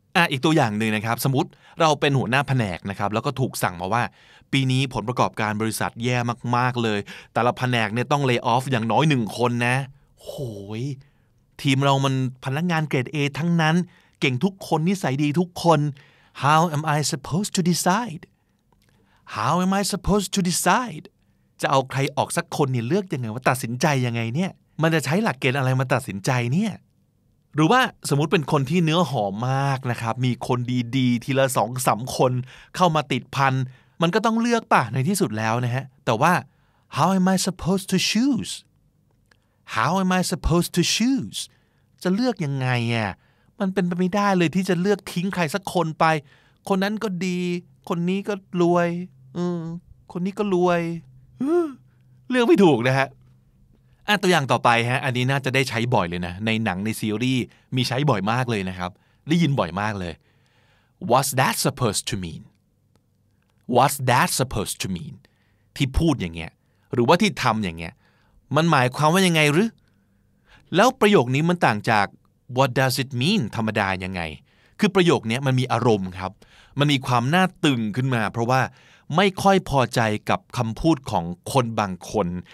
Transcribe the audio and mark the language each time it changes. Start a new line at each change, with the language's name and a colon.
Thai: อีกตัวอย่างหนึ่งนะครับสมมติเราเป็นหัวหน้าแผนกนะครับแล้วก็ถูกสั่งมาว่าปีนี้ผลประกอบการบริษัทแย่มากๆเลยแต่ละแผนกเนี่ยต้องเลย์ออฟอย่างน้อย1คนนะโอ้ยทีมเรามันพนักงานเกรด A ทั้งนั้นเก่งทุกคนนิสัยดีทุกคน
English: How am I supposed to decide? How am I supposed to decide?
Thai: จะเอาใครออกสักคนเนี่ยเลือกยังไงว่าตัดสินใจยังไงเนี่ยมันจะใช้หลักเกณฑ์อะไรมาตัดสินใจเนี่ยหรือว่าสมมุติเป็นคนที่เนื้อหอมมากนะครับมีคนดีๆทีละ 2-3 คนเข้ามาติดพันมันก็ต้องเลือกป่ะในที่สุดแล้วนะฮะแต่ว่า
English: How am I supposed to chooseHow am I supposed to choose?
Thai: จะเลือกยังไงอ่ะมันเป็นไปไม่ได้เลยที่จะเลือกทิ้งใครสักคนไปคนนั้นก็ดีคนนี้ก็รวยคนนี้ก็รวยเลือกไม่ถูกนะฮะตัวอย่างต่อไปฮะอันนี้น่าจะได้ใช้บ่อยเลยนะในหนังในซีรีส์มีใช้บ่อยมากเลยนะครับได้ยินบ่อยมากเลย
English: What's that supposed to mean? What's that supposed to mean?
Thai: ที่พูดอย่างเงี้ยหรือว่าที่ทำอย่างเงี้ยมันหมายความว่ายังไงหรือแล้วประโยคนี้มันต่างจาก
English: what does it mean
Thai: ธรรมดายังไงคือประโยคนี้มันมีอารมณ์ครับมันมีความน่าตึงขึ้นมาเพราะว่าไม่ค่อยพอใจกับคำพูดของคนบางคน